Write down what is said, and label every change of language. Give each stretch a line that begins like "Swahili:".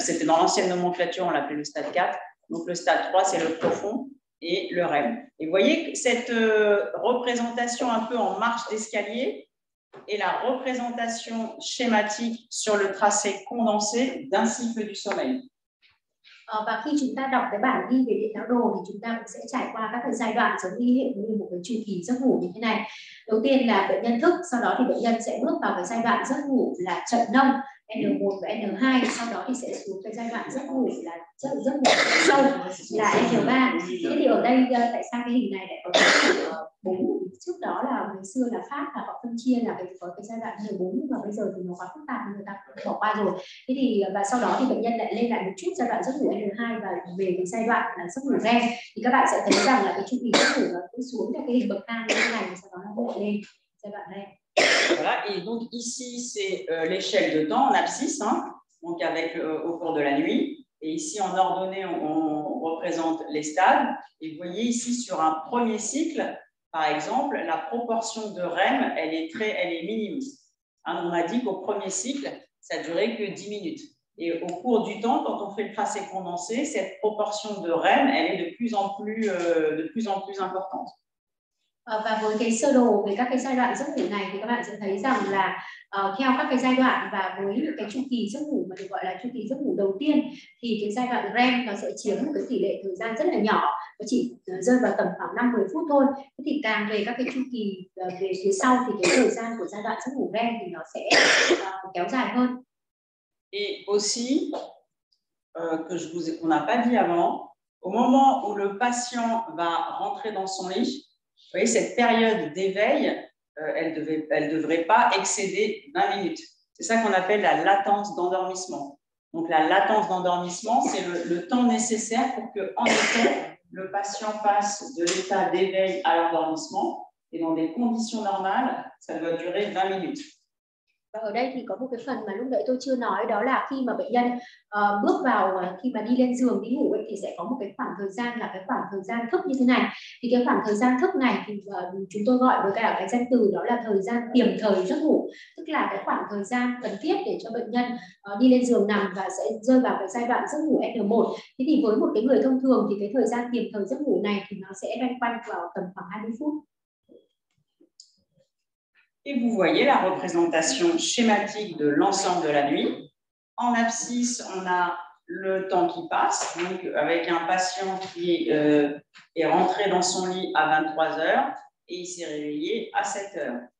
French: c'était dans l'ancienne nomenclature, on l'appelait le stade 4. Donc, le stade 3, c'est le profond et le REM. Et vous voyez que cette représentation un peu en marche d'escalier et la représentation schématique sur le tracé condensé d'un cycle du sommeil.
Vietnamese: Và khi chúng ta đọc cái bản ghi về điện não đồ thì chúng ta cũng sẽ trải qua các cái giai đoạn giống như hiện như một cái chu kỳ giấc ngủ như thế này. Đầu tiên là bệnh nhân thức, sau đó thì bệnh nhân sẽ bước vào cái giai đoạn giấc ngủ là chậm nông N1 và N2, sau đó thì sẽ xuống cái giai đoạn giấc ngủ là giấc ngủ sâu là N3. Thế thì ở đây tại sao cái hình này lại có cái bốn? Trước đó là ngày xưa là Pháp là họ phân chia là có cái giai đoạn 14, nhưng mà bây giờ thì nó quá phức tạp, người ta bỏ qua rồi. Thế thì và sau đó thì bệnh nhân lại lên lại một chút giai đoạn giấc ngủ N2 và về cái giai đoạn là giấc ngủ REM. Thì các bạn sẽ thấy rằng là cái chu kỳ giấc ngủ nó cũng xuống theo cái hình bậc thang như thế này, sau đó nó bộ lên giai đoạn REM.
French: Voilà, et donc ici c'est l'échelle de temps en abscisse, hein, donc avec au cours de la nuit. Et ici en ordonnée, on représente les stades. Et vous voyez ici sur un premier cycle, par exemple, la proportion de REM, elle est minime. Hein, on a dit qu'au premier cycle, ça ne durait que 10 minutes. Et au cours du temps, quand on fait le tracé condensé, cette proportion de REM, elle est de plus en plus importante.
Vietnamese: Và với cái sơ đồ về các cái giai đoạn giấc ngủ này thì các bạn sẽ thấy rằng là theo các cái giai đoạn và với những cái chu kỳ giấc ngủ mà được gọi là chu kỳ giấc ngủ đầu tiên thì cái giai đoạn REM nó sẽ chiếm một cái tỷ lệ thời gian rất là nhỏ, nó chỉ rơi vào tầm khoảng 5-10 phút thôi. Thế thì càng về các cái chu kỳ về phía sau thì cái thời gian của giai đoạn giấc ngủ REM thì nó sẽ kéo dài hơn.
French: Et aussi que je vous ai qu'on n'a pas dit avant, au moment où le patient va rentrer dans son lit, vous voyez, cette période d'éveil, elle ne devrait pas excéder 20 minutes. C'est ça qu'on appelle la latence d'endormissement. Donc, la latence d'endormissement, c'est le temps nécessaire pour que, en effet, le patient passe de l'état d'éveil à l'endormissement. Et dans des conditions normales, ça doit durer 20 minutes.
Vietnamese: Và ở đây thì có một cái phần mà lúc nãy tôi chưa nói, đó là khi mà bệnh nhân bước vào, khi mà đi lên giường đi ngủ ấy, thì sẽ có một cái khoảng thời gian là cái khoảng thời gian thức như thế này. Thì cái khoảng thời gian thức này thì chúng tôi gọi với cả cái danh từ đó là thời gian tiềm thời giấc ngủ, tức là cái khoảng thời gian cần thiết để cho bệnh nhân đi lên giường nằm và sẽ rơi vào cái giai đoạn giấc ngủ N1. Thế thì với một cái người thông thường thì cái thời gian tiềm thời giấc ngủ này thì nó sẽ loanh quanh vào tầm khoảng 20 phút.
French: Et vous voyez la représentation schématique de l'ensemble de la nuit. En abscisse, on a le temps qui passe, donc avec un patient qui est rentré dans son lit à 23 heures et il s'est réveillé à 7 heures.